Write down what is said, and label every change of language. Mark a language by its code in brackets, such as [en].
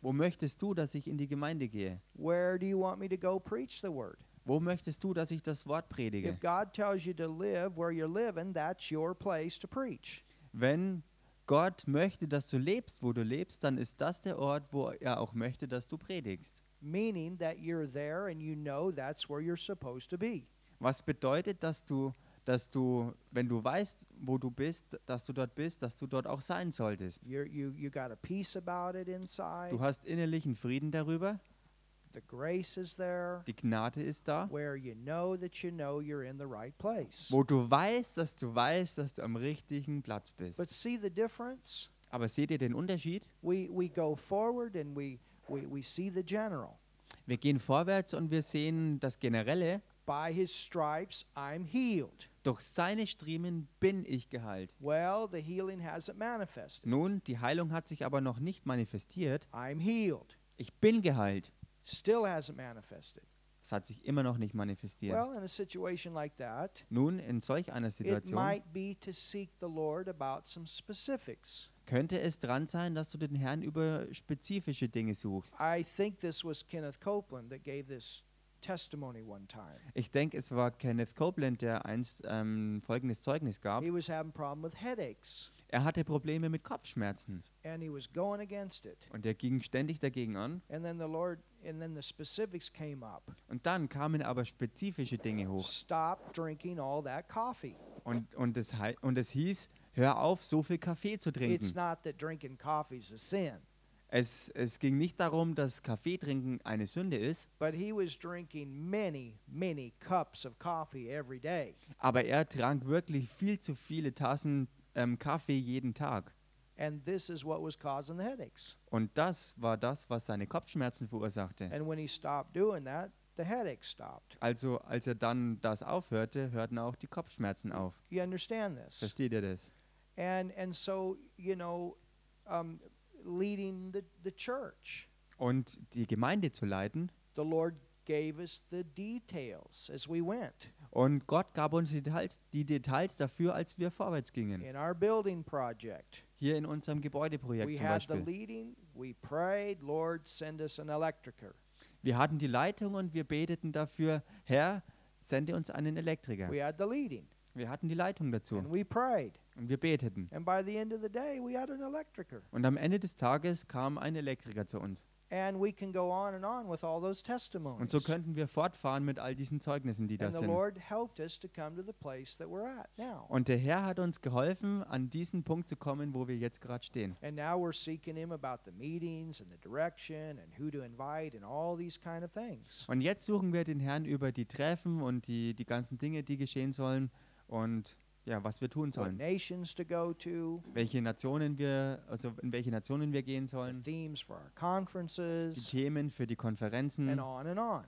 [de] Wo möchtest du, dass ich in die Gemeinde gehe? [en] Where do you want me to go preach the word? [de] Wo möchtest du, dass ich das Wort predige? [en] If God tells you to live where you're living, that's your place to preach. [de] Wenn Gott möchte, dass du lebst, wo du lebst, dann ist das der Ort, wo er auch möchte, dass du predigst. [en] Meaning that you're there and you know that's where you're supposed to be. [de] Was bedeutet, dass du, wenn du weißt, wo du bist, dass du dort auch sein solltest? [en] You got a peace about it inside. [de] Du hast innerlichen Frieden darüber. [en] The grace is there. [de] Die Gnade ist da. [en] Where you know that you know you're in the right place. [de] Wo du weißt, dass du am richtigen Platz bist. [en] But see the difference? [de] Aber seht ihr den Unterschied? [en] We go forward and we see the general. [de] Wir gehen vorwärts und wir sehen das Generelle. [en] By his stripes I'm healed. [de] Durch seine Striemen bin ich geheilt. [en] Well, the healing hasn't manifested. [de] Nun, die Heilung hat sich aber noch nicht manifestiert. [en] I'm healed. [de] Ich bin geheilt. [en] Still hasn't manifested. [de] Es hat sich immer noch nicht manifestiert. [en] Well, in a situation like that, [de] nun, in solch einer Situation, [en] it might be to seek the Lord about some specifics. [de] Könnte es dran sein, dass du den Herrn über spezifische Dinge suchst? [en] I think this was Kenneth Copeland that gave this testimony one time. [de] Ich denke, es war Kenneth Copeland, der einst folgendes Zeugnis gab. [en] He was having problem with headaches. [de] Er hatte Probleme mit Kopfschmerzen. [en] And he was going against it. [de] Und er ging ständig dagegen an. [en] And then the Lord, and then the specifics came up. [de] Und dann kamen aber spezifische Dinge hoch. [en] Stop drinking all that coffee. [de] Und es hieß, hör auf, so viel Kaffee zu trinken. [en] It's not that drinking coffee is a sin. [de] Es ging nicht darum, dass Kaffee trinken eine Sünde ist. [en] But he was drinking many, many cups of coffee every day. [de] Aber er trank wirklich viel zu viele Tassen Kaffee jeden Tag. [en] And this is what was causing the headaches. [de] Und das war das, was seine Kopfschmerzen verursachte. [en] And when he stopped doing that, the headaches stopped. [de] Also, als er dann das aufhörte, hörten auch die Kopfschmerzen auf. [en] You understand this? [de] Versteht ihr das? [en] And so, you know, leading the church. [de] Und die Gemeinde zu leiten. [en] The Lord gave us the details as we went. [de] Und Gott gab uns die Details dafür, als wir vorwärts gingen. [en] In our building project. [de] Hier in unserem Gebäudeprojekt [en] we [de] zum [en] had [de] Beispiel. [en] The leading, we prayed, Lord, send us an electrician. [de] Wir hatten die Leitung und wir beteten dafür, Herr, sende uns einen Elektriker. [en] We had the leading. [de] Wir hatten die Leitung dazu. [en] And we prayed. [de] Und wir beteten. [en] And by the end of the day, we had an electrician. [de] Und am Ende des Tages kam ein Elektriker zu uns. [en] And we can go on and on with all those testimonies. [de] Und so könnten wir fortfahren mit all diesen Zeugnissen, die da sind. [en] And the Lord helped us to come to the place that we're at now. [de] Und der Herr hat uns geholfen, an diesen Punkt zu kommen, wo wir jetzt gerade stehen. [en] And now we're seeking him about the meetings and the direction and who to invite and all these kind of things. [de] Und jetzt suchen wir den Herrn über die Treffen und die ganzen Dinge, die geschehen sollen und ja, was wir tun sollen. [en] What nations to go to, [de] in welche Nationen wir gehen sollen. [en] The themes for our conferences, [de] die Themen für die Konferenzen [en] and on and on.